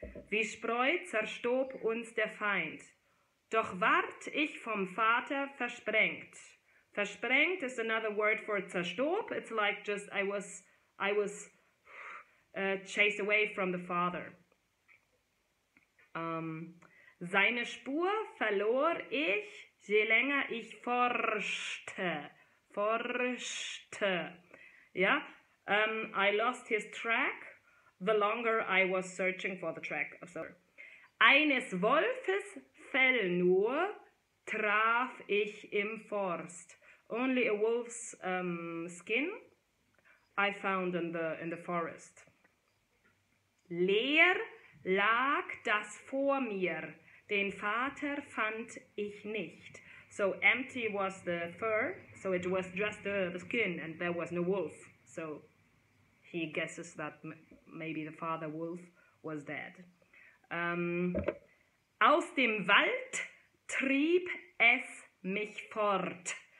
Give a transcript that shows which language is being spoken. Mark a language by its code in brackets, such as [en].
[de] Wie Spreu zerstob uns der Feind. Doch ward ich vom Vater versprengt. [en] Versprengt is another word for zerstob. It's like just I was chased away from the father. [de] Seine Spur verlor ich, je länger ich forschte. Forschte. [en] Yeah, I lost his track, the longer I was searching for the track. Sorry. [de] Eines Wolfes Fell nur traf ich im Forst. [en] Only a wolf's skin I found in the forest. [de] Leer lag das vor mir, den Vater fand ich nicht. [en] So empty was the fur, so it was just the skin, and there was no wolf. So he guesses that maybe the father wolf was dead. [de] Aus dem Wald trieb es mich fort.